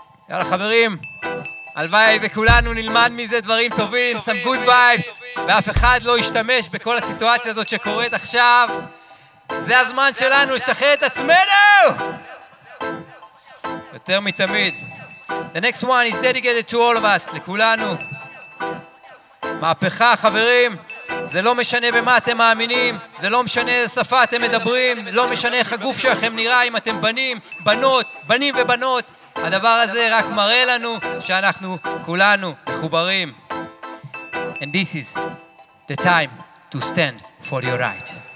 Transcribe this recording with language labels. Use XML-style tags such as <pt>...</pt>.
<he>יאללה חברים, הלוואי וכולנו נלמד מזה דברים טובים,</he> <en>some good vibes,</en> <he>ואף אחד לא ישתמש בכל הסיטואציה הזאת שקורית עכשיו. זה הזמן שלנו לשחרר את עצמנו! יותר מתמיד.</he> <en>The next one is dedicated to all of us,</en> <he>לכולנו. מהפכה חברים, זה לא משנה במה אתם מאמינים, זה לא משנה איזה שפה אתם מדברים, לא משנה איך הגוף שלכם נראה, אם אתם בנים, בנות, בנים ובנות. הדבר הזה רק מראה לנו שאנחנו כולנו מחוברים.</he> <en>And this is the time to stand for your right.</en>